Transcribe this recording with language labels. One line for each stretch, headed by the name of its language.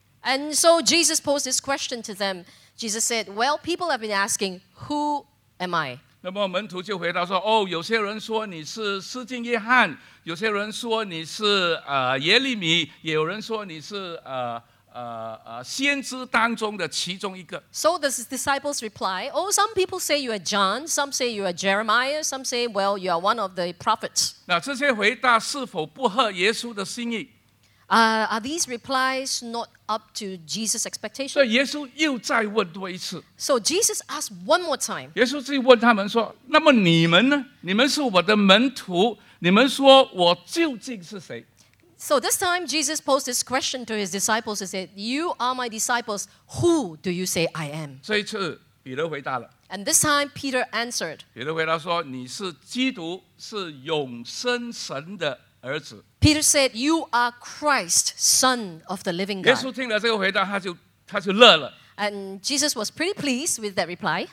English: And so Jesus posed this question to them. Jesus said, "Well, people have been asking, who am I?"
Chinese: 那么门徒就回答说：“哦，有些人说你是施浸约翰，有些人说你是耶利米，也有人说你是先知当中的其中一个。
English: So the disciples reply, Oh, some people say you are John, some say you are Jeremiah, some say, well, you are one of the prophets.
Chinese: 那这些回答是否不合耶稣的心意？
English: Are these replies not up to Jesus' expectation?
Chinese: 耶稣又再问多一次。
English: So Jesus asked one more time.
Chinese: 耶稣就问他们说，那么你们呢？你们是我的门徒，你们说我究竟是谁？
English: So this time, Jesus posed this question to his disciples and said, You are my disciples, who do you say I am?
Chinese: 这一次彼得回答了。
English: And this time, Peter answered.
Chinese: 彼得回答说，你是基督，是永生神的儿子。
English: Peter said, You are Christ, Son of the living God.
Chinese: 耶稣听了这个回答，他就乐了。
English: And Jesus was pretty pleased with that reply.